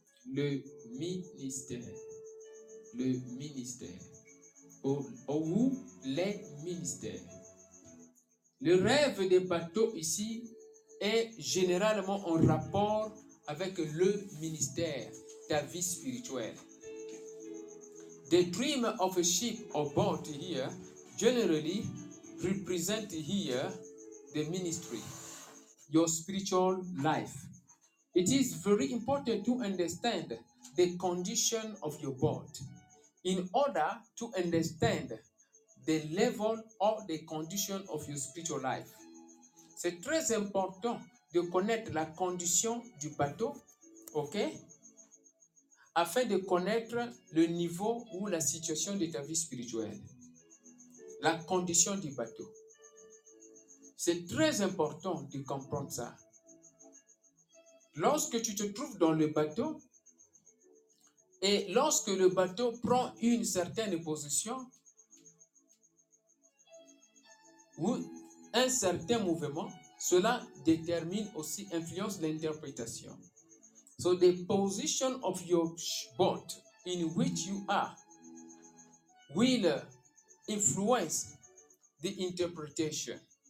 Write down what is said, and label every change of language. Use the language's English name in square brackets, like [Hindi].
[French] Le ministère. Le ministère. Ou les ministères. Le rêve des bateaux ici est généralement en rapport avec le ministère, ta vie spirituelle. [English] The dream of a ship or boat here generally represent here the ministry, your spiritual life. It is very important to understand the condition of your boat in order to understand the level or the condition of your spiritual life. [French] C'est très important de connaître la condition du bateau, ok? Afin de connaître le niveau ou la situation de ta vie spirituelle. La condition du bateau. C'est très important de comprendre ça. Lorsque tu te trouves dans le bateau, et lorsque le bateau prend une certaine position, ou un certain mouvement, cela détermine aussi, influence l'interprétation. [English] So the position of your boat in which you are will influence the interpretation.